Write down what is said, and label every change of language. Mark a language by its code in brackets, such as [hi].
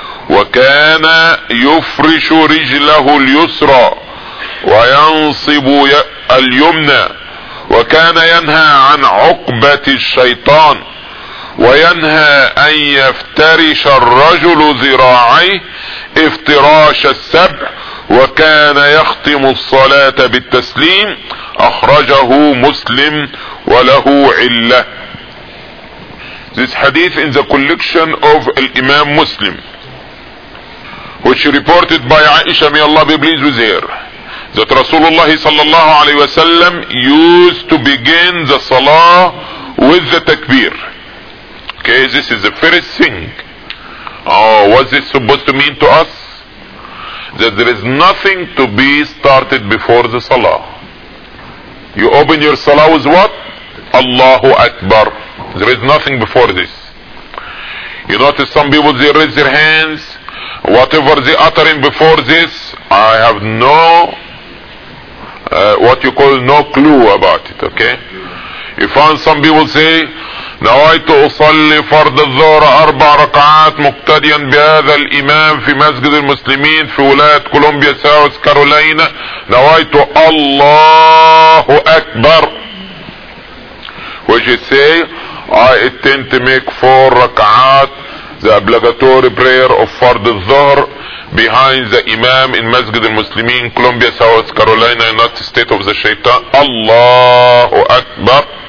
[ar] وكان يفرش رجله اليسرى وينصب اليمنى وكان ينهى عن عقبة الشيطان وينهى أن يفترش الرجل ذراعيه افتراش السبع وكان يختم الصلاة بالتسليم أخرجه مسلم وله علة. [en] This hadith in the collection of Imam Muslim, which reported by Aisha, may Allah be pleased with her, that Rasulullah sallallahu alayhi wa sallam used to begin the salah with the takbir. Okay, this is the first thing. What's this supposed to mean to us? That there is nothing to be started before the salah. You open your salah with what? Allahu Akbar. There is nothing before this. You notice some people, they raise their hands, whatever they uttering before this, I have no, what you call, no clue about it, okay? You find some people say, [ar] نويت أصلي فرض الظهر أربع ركعات مقتديا بهذا الإمام في مسجد المسلمين في ولاية كولومبيا ساوث كارولينا نويت الله أكبر. [en] Which is say, I intend to make four ركعات, the obligatory prayer of فرض الظهر behind the Imam in [ar] مسجد المسلمين كولومبيا ساوث كارولينا [en] United States of the Shaitan. [ar] الله أكبر.